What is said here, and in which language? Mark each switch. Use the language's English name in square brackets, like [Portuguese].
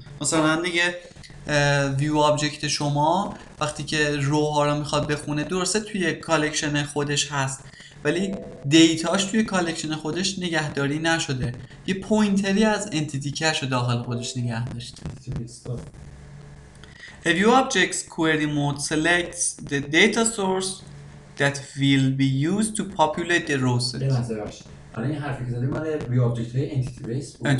[Persian] مثلا دیگه ویو آبجکت شما وقتی که رو ها رو میخواد بخونه، درسته توی کالکشن خودش هست، ولی دیتاش توی کالکشن خودش نگهداری نشده، یه پوینتری از انتیتی کش رو داخل خودش نگه داشته. [English] A view object's query mode selects the data source that will be used to populate the row set. [Persian] حالا این حرفی که زدیم مال view object های entity based بود.